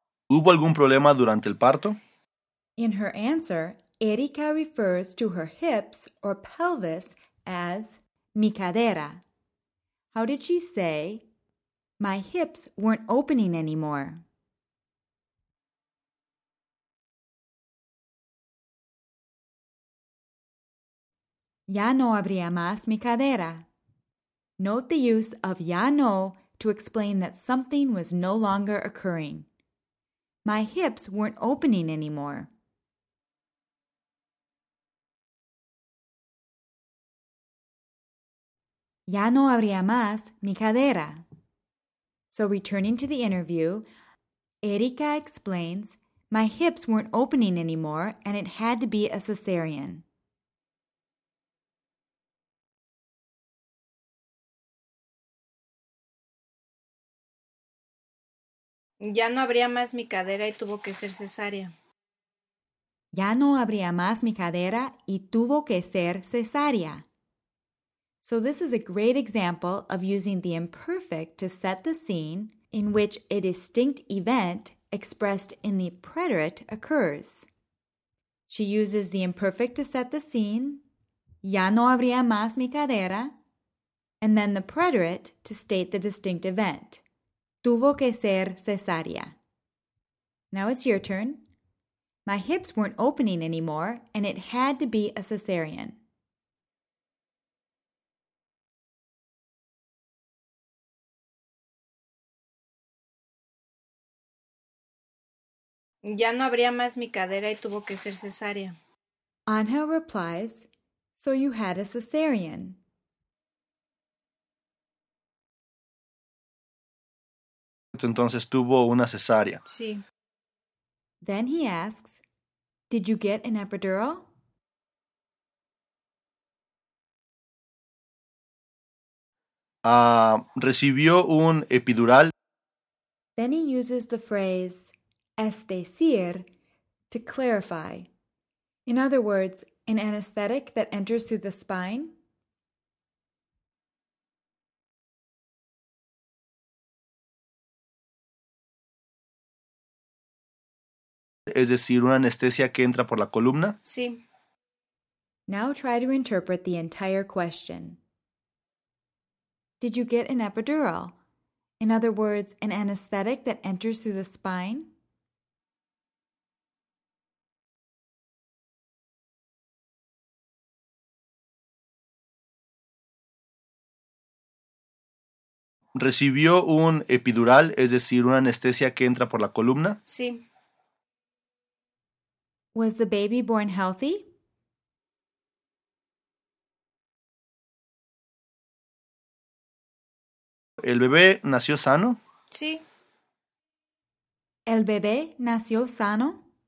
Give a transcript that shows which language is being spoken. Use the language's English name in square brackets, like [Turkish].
[Spanish] ¿Hubo algún problema durante el parto? [English] In her answer, Erika refers to her hips or pelvis as [Spanish] mi cadera. [English] How did she say, my hips weren't opening anymore? [Spanish] Ya no habría más mi cadera. [English] Note the use of ya no to explain that something was no longer occurring. My hips weren't opening anymore. [Spanish] Ya no habría más mi cadera. [English] So returning to the interview, Erika explains, my hips weren't opening anymore and it had to be a cesarean. [Spanish] Ya no habría más mi cadera y tuvo que ser cesárea. Ya no habría más mi cadera y tuvo que ser cesárea. [English] So this is a great example of using the imperfect to set the scene in which a distinct event expressed in the preterite occurs. She uses the imperfect to set the scene, [Spanish] ya no habría más mi cadera, [English] and then the preterite to state the distinct event. [Spanish] Tuvo que ser cesárea. [English] Now it's your turn. My hips weren't opening anymore, and it had to be a cesarean. [Spanish] Ya no habría más mi cadera y tuvo que ser cesárea. [English] Angel replies, so you had a cesarean. [Spanish] Entonces tuvo una cesárea. Sí. [English] Then he asks, did you get an epidural? [Spanish] ¿Recibió un epidural? [English] Then he uses the phrase, es decir, to clarify. In other words, an anesthetic that enters through the spine. [Spanish] Es decir, una anestesia que entra por la columna. Sí. [English] Now try to interpret the entire question. Did you get an epidural? In other words, an anesthetic that enters through the spine? [Spanish] ¿Recibió un epidural? Es decir, una anestesia que entra por la columna. Sí. [English] Was the baby born healthy? [Spanish] ¿El bebé nació sano? Sí. ¿El bebé nació sano?